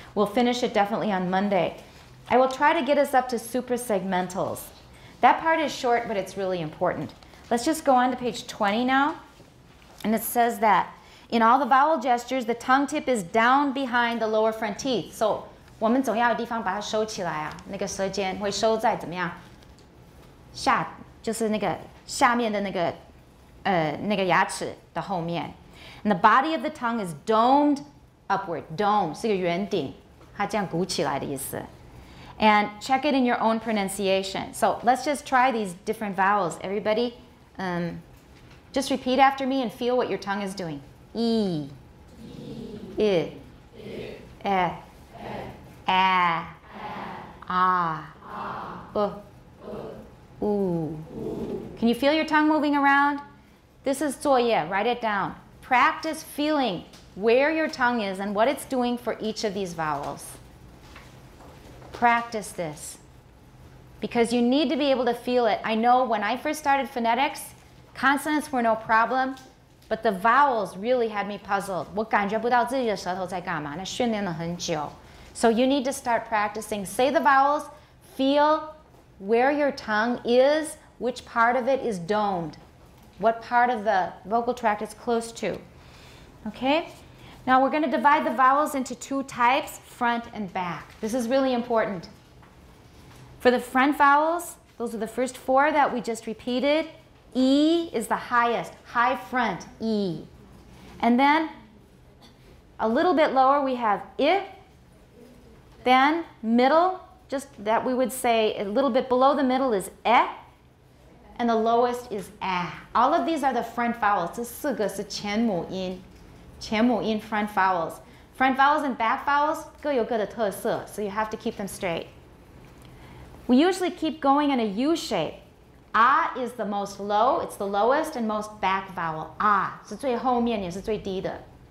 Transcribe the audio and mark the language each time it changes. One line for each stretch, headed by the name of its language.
English: We'll finish it definitely on Monday. I will try to get us up to suprasegmentals. That part is short, but it's really important. Let's just go on to page 20 now. And it says that in all the vowel gestures, the tongue tip is down behind the lower front teeth.
Chinese: So, 我们总要有地方把它收起来啊，那个舌尖会收在怎么样？下，就是那个下面的那个牙齿的后面。
English: And the body of the tongue is domed upward.
Chinese: Dome 是个圆顶，它这样鼓起来的意思。
English: And check it in your own pronunciation. So let's just try these different vowels. Everybody, just repeat after me and feel what your tongue is doing. E, e, I, I, e, e, a, a, a, a, a, u, u, u. Can you feel your tongue moving around? This is 作业, write it down. Practice feeling where your tongue is and what it's doing for each of these vowels. Practice this because you need to be able to feel it. I know when I first started phonetics, consonants were no problem. But the vowels really had me puzzled.
Chinese: 我感觉不到自己的舌头在干嘛，那训练了很久。
English: So you need to start practicing. Say the vowels, feel where your tongue is, which part of it is domed, what part of the vocal tract is close to. Okay? Now we're going to divide the vowels into two types, front and back. This is really important. For the front vowels, those are the first four that we just repeated. E is the highest, high front, E. And then a little bit lower we have I, then middle, just that we would say a little bit below the middle is E, and the lowest is A. All of these are the front vowels.
Chinese: 这四个是前母音
English: front vowels. Front vowels and back vowels
Chinese: 各有各的特色,
English: so you have to keep them straight. We usually keep going in a U shape. Ah is the most low, it's the lowest and most back vowel.
Chinese: Ah, 是最后面也是最低的.